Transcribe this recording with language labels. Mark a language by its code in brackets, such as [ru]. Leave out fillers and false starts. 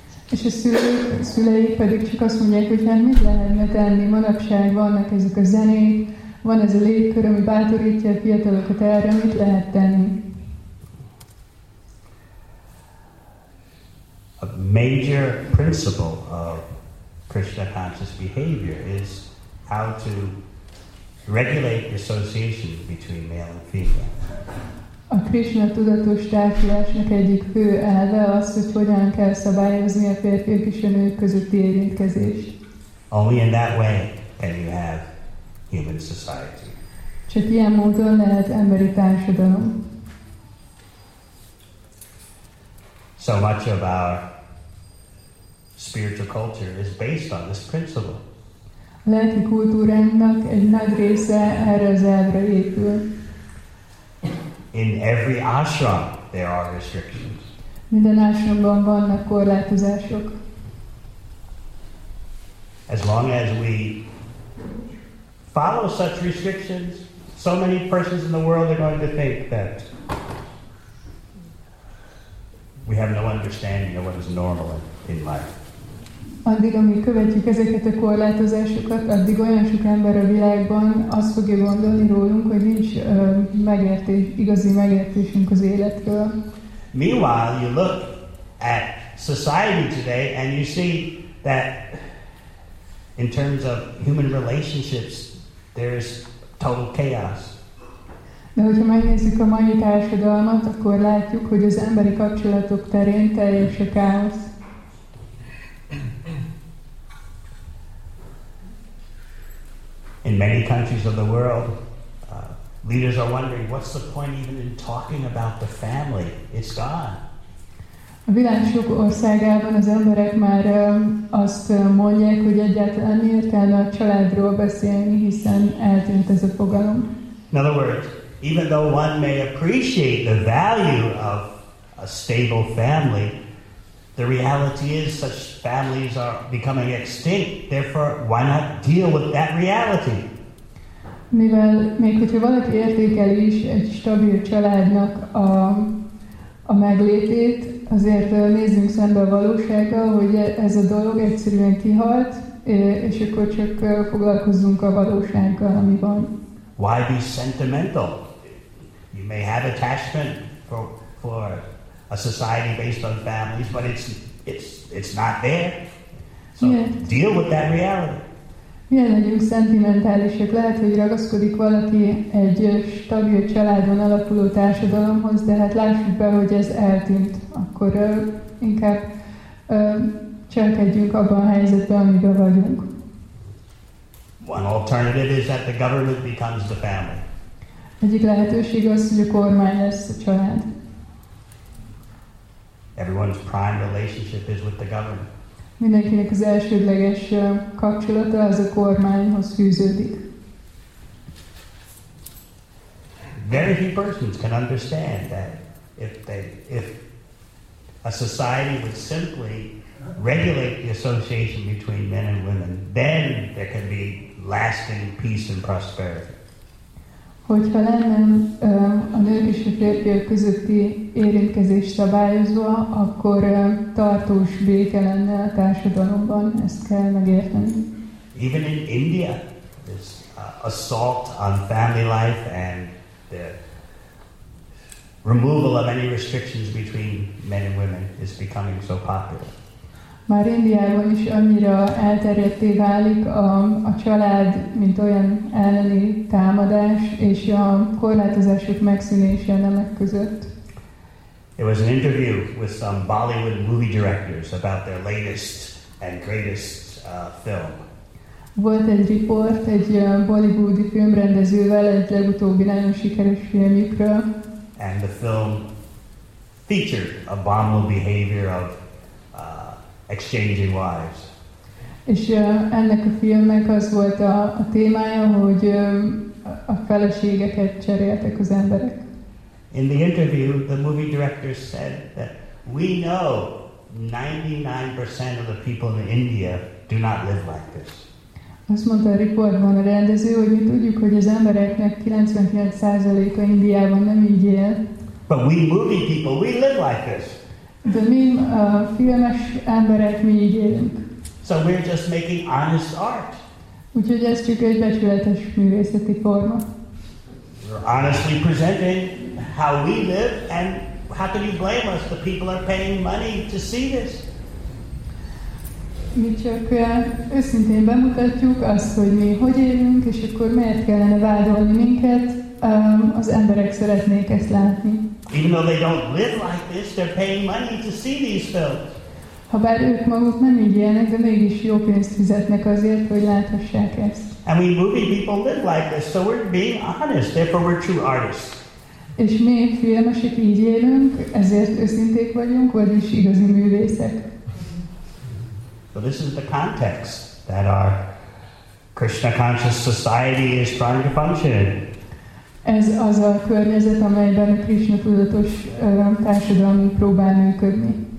[hu] És a szüleik pedig csak azt mondják, hogy hát mit lehetne tenni, manapság vannak ezek a zenék, van ez a légkör, ami bátorítja a fiatalokat erre, mit lehet tenni? [en] A major principle of Krishna conscious behavior is how to regulate association between male and female. [hu] A Krishna tudatos társulásnak egyik fő elve az, hogy hogyan kell szabályozni a férfiak és a nők közötti érintkezést. [en] Only in that way can you have human society. [hu] Csak ilyen módon lehet emberi társadalom. [en] So much of our spiritual culture is based on this principle. [hu] A lelki kultúránknak egy nagy része erre az elvre épül. [en] In every ashram there are restrictions. [hu] Minden ashramban vannak korlátozások. [en] As long as we follow such restrictions, so many persons in the world are going to think that we have no understanding of what is normal in life. [hu] Addig, amíg követjük ezeket a korlátozásokat, addig olyan sok ember a világban azt fogja gondolni rólunk, hogy nincs igazi megértésünk az életről. [en] Meanwhile, you look at society today and you see that in terms of human relationships, there is total chaos. [hu] De hogyha megnézzük a mai társadalmat, akkor látjuk, hogy az emberi kapcsolatok terén teljes a káosz. [en] In many countries of the world, leaders are wondering, what's the point even in talking about the family? It's gone. [hu] A világ sok országában az emberek már azt mondják, hogy egyáltalán mi értelme a családról beszélni, hiszen eltűnt ez a fogalom. [en] In other words, even though one may appreciate the value of a stable family, the reality is such families are becoming extinct. Therefore, why not deal with that reality? [hu] Mivel még hogyha valaki értékel is egy stabil családnak a meglétét, azért nézzünk szembe a valósággal, hogy ez a dolog egyszerűen kihalt, és akkor csak foglalkozzunk a valósággal, ami van. [en] Why be sentimental? You may have attachment for a society based on families, but it's not there. So [hu] miért? [en] Deal with that reality. [hu] Milyen legyünk szentimentálisak? Lehet, hogy ragaszkodik valaki egy stabil családon alapuló társadalomhoz, de hát lássuk be, hogy ez eltűnt. Akkor inkább cselekedjünk abban a helyzetben, amiben vagyunk. [en] One alternative is that the government becomes the family. [hu] Egyik lehetőség az, hogy a kormány lesz a család. [en] Everyone's prime relationship is with the government. [hu] Mindenkinek az elsődleges kapcsolata az a kormányhoz fűződik. [en] Very few persons can understand that if a society would simply regulate the association between men and women, then there can be lasting peace and prosperity. [hu] Hogyha lenne a nők és a férfiak közötti érintkezés szabályozva, akkor tartós béke lenne a társadalomban, ezt kell megérteni. [en] Even in India, there's assault on family life and the removal of any restrictions between men and women is becoming so popular. [hu] Már Indiában is annyira elterjedté válik a család, mint olyan elleni támadás és a korlátozások megszűnése a nemek között. [en] There was an interview with some Bollywood movie directors about their latest and greatest film. [hu] Volt egy riport egy bollywoodi filmrendezővel egy legutóbbi nagyon sikeres filmjükről. [en] And the film featured abominable behavior of exchanging wives. [hu] És ennek a filmnek az volt a témája, hogy a feleségeket cseréltek az emberek. [en] In the interview, the movie director said that we know 99% of the people in India do not live like this. [hu] Azt mondta a riportban a rendező, hogy mi tudjuk, hogy az embereknek 99%-a Indiában nem így él. [en] But we movie people, we live like this. [hu] De mi filmes emberek, mi így élünk. [en] So we're just making honest art. [hu] Úgyhogy ez csak egy becsületes művészeti forma. [en] We're honestly presenting how we live, and how can you blame us? The people are paying money to see this. [hu] Mi csak őszintén bemutatjuk azt, hogy mi hogy élünk, és akkor miért kellene vádolni minket, az emberek szeretnék ezt látni. [en] Even though they don't live like this, they're paying money to see these films. [hu] Habár ők maguk nem így élnek, de mégis jó pénzt fizetnek azért, hogy láthassák ezt. [en] And we movie people live like this, so we're being honest, therefore we're true artists. [hu] És mi filmesek így élünk, ezért őszinték vagyunk, vagyis igazi művészek. [en] So this is the context that our Krishna conscious society is trying to function in. [hu] Ez az a környezet, amelyben a Krishna tudatos társadalom próbál működni.